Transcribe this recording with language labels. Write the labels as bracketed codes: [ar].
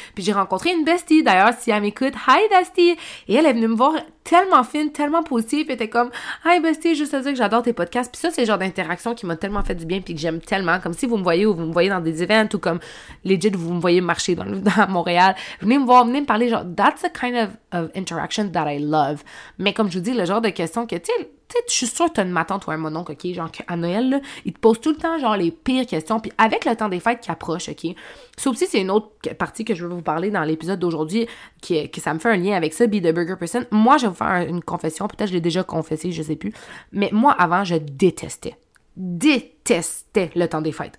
[fr] Puis j'ai rencontré une bestie, d'ailleurs, si elle m'écoute. [en] Hi, bestie! [fr] Et elle est venue me voir tellement fine, tellement positive. Elle était comme, [en] hi, bestie, [fr] juste à dire que j'adore tes podcasts. Puis ça, c'est le genre d'interaction qui m'a tellement fait du bien puis que j'aime tellement. Comme si vous me voyez ou vous me voyez dans des events ou comme, legit, vous me voyez marcher dans Montréal. Venez me voir, venez me parler. [en] Genre, that's the kind of interaction that I love. [fr] Mais comme je vous dis, le genre de question que, tu sais, je suis sûre que t'as une matante ou un mononcle, OK, genre à Noël, là, ils te posent tout le temps, genre, les pires questions. Puis avec le temps des fêtes qui approche, OK, ça aussi, c'est une autre partie que je veux vous parler dans l'épisode d'aujourd'hui, que ça me fait un lien avec ça, [en] Be the Burger Person. [fr] Moi, je vais vous faire une confession, peut-être je l'ai déjà confessé, je sais plus, mais moi, avant, je détestais le temps des fêtes.